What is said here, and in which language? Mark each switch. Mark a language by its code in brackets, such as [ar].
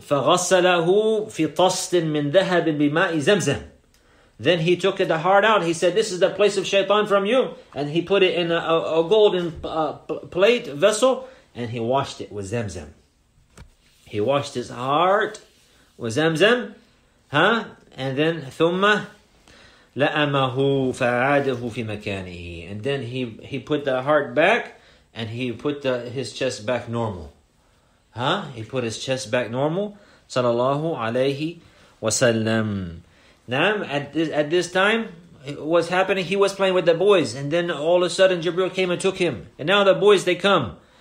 [ar] فغسله في طست من ذهب بماء زمزم. [en] Then he took the heart out. He said, this is the place of shaitan from you. And he put it in a golden plate vessel. And he washed it with Zamzam. He washed his heart with Zamzam. Huh? And then, [ar] ثُمَّ لَأَمَهُ فَعَادَهُ فِي مَكَانِهِ. [en] And then he put the heart back. And he put his chest back normal. Huh? He put his chest back normal. Sallallahu alayhi wasallam. Naam, at this time, what's happening? He was playing with the boys. And then all of a sudden, Jibril came and took him. And now the boys, they come.